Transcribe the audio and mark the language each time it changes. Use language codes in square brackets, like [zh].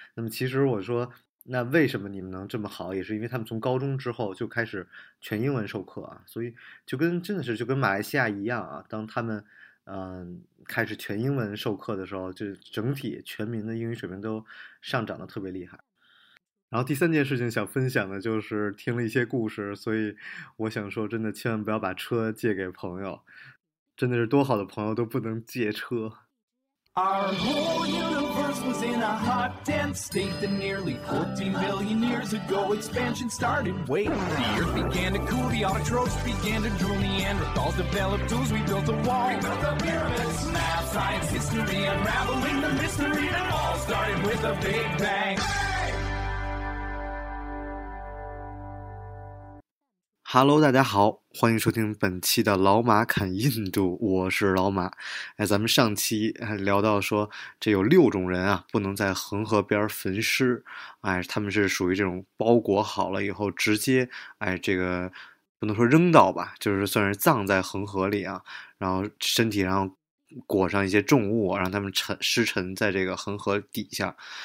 [zh] 那么其实我说，那为什么你们能这么好，也是因为他们从高中之后就开始全英文授课啊，所以就跟真的是就跟马来西亚一样啊，当他们开始全英文授课的时候，就整体全民的英语水平都上涨得特别厉害。然后第三件事情想分享的就是听了一些故事，所以我想说真的千万不要把车借给朋友，真的是多好的朋友都不能借车。 [en] Our whole universe was in a hot dense state that nearly 14 billion years ago expansion started. Wait, the earth began to cool, the autotrophs began to drool, Neanderthals developed tools, we built a wall, we built the pyramids, math, science, history, unraveling the mystery that all started with a big bang. [zh] Hello, 大家好，欢迎收听本期的老马侃印度，我是老马。哎，咱们上期还聊到说这有六种人啊不能在恒河边焚尸，哎，他们是属于这种包裹好了以后直接，哎，这个不能说扔到吧，就是算是葬在恒河里啊，然后身体上裹上一些重物，让他们尸沉在这个恒河底下。